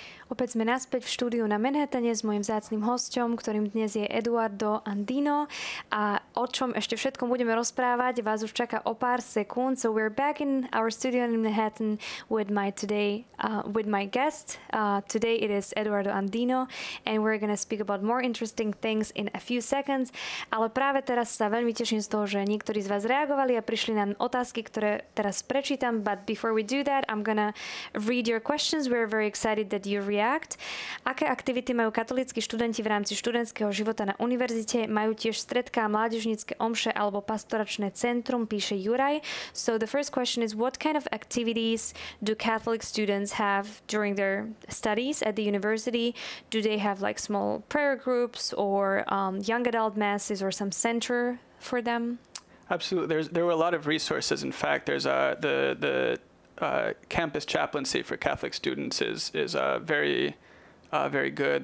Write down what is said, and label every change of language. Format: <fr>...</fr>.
<sk>Opäť sme naspäť v štúdiu na Manhattane s mojim vzácnym hosťom, ktorým dnes je Eduardo Andino. A o čom ešte všetkom budeme rozprávať, vás už čaká o pár sekúnd.</sk> <en>So we're back in our studio in Manhattan with my guest. Today it is Eduardo Andino and we're going to speak about more interesting things in a few seconds.</en> <sk>Ale práve teraz sa veľmi teším z toho, že niektorí z vás reagovali a prišli nám otázky, ktoré teraz prečítam.</sk> <en>But before we do that, I'm going to read your questions. We're very excited that you react.</en> <sk>Aké aktivity majú katolíckí študenti v rámci študentského života na univerzite? Majú tiež stretká, mládežnícke omše alebo pastoračné centrum? Píše Juraj.</sk> <en>So the first question is, what kind of activities do Catholic students have during their studies at the university? Do they have like small prayer groups or young adult masses or some center for them? Absolutely. There were a lot of resources. In fact, there's the campus chaplaincy for Catholic students is very good.</en>